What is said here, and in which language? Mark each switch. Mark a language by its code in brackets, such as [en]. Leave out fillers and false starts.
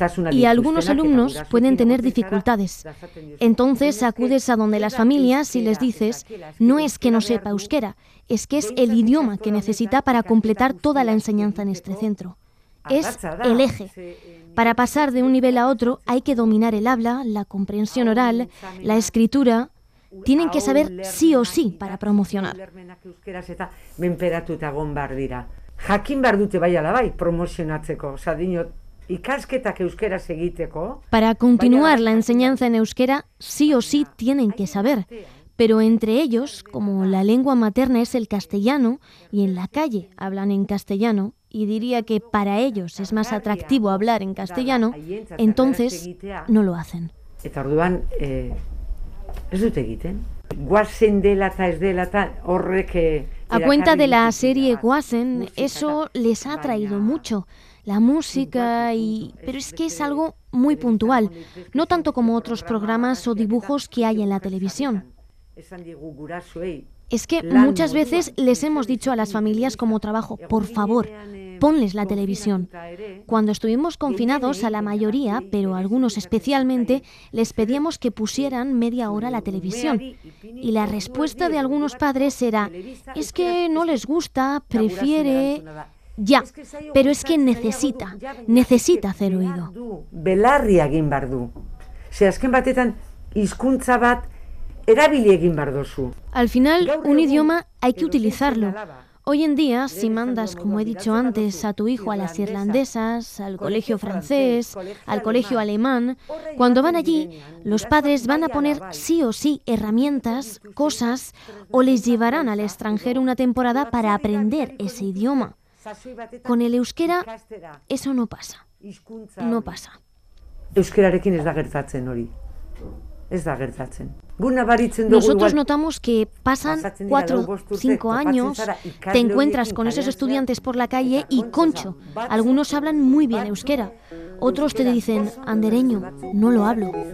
[es] Y algunos alumnos pueden tener dificultades. Entonces acudes a donde las familias y les dices, no es que no sepa euskera, es que es el idioma que necesita para completar toda la enseñanza en este centro. Es el eje. Para pasar de un nivel a otro hay que dominar el habla, la comprensión oral, la escritura. Tienen que saber sí o sí para promocionar. [eu] Menperatuta egon behar dira. Jakin behar dute bai ala bai promocionatzeko. Osea, dino, ikasketak euskeraz egiteko. [es] Para continuar la enseñanza en euskera, sí o sí tienen que saber. Pero entre ellos, como la lengua materna es el castellano y en la calle hablan en castellano, y diría que para ellos es más atractivo hablar en castellano, entonces no lo hacen. [eu] Eta orduan, ez dut egiten. Guasen dela eta ez dela eta horre que... [es] A cuenta de la serie Guasen, eso les ha atraído mucho. La música y... Pero es que es algo muy puntual. No tanto como otros programas o dibujos que hay en la televisión. Es que muchas veces les hemos dicho a las familias como trabajo, por favor, ponles la televisión. Cuando estuvimos confinados, a la mayoría, pero a algunos especialmente, les pedíamos que pusieran media hora la televisión. Y la respuesta de algunos padres era, es que no les gusta, prefiere... Ya, pero es que necesita hacer oído. [eu] Belarria egin behar du. Si azken batetan, hizkuntza bat, erabili egin behar duzu. [es] Al final, un idioma hay que utilizarlo. Hoy en día, si mandas, como he dicho antes, a tu hijo a las irlandesas, al colegio francés, al colegio alemán, cuando van allí, los padres van a poner sí o sí herramientas, cosas, o les llevarán al extranjero una temporada para aprender ese idioma. Con el euskera, eso no pasa. No pasa. [eu] Euskerarekin ez da gertatzen hori. Ez da gertatzen. [es] Nosotros notamos que pasan 4 o 5 años, te encuentras con esos estudiantes por la calle y, concho, algunos hablan muy bien euskera. Otros te dicen, andereño, no lo hablo.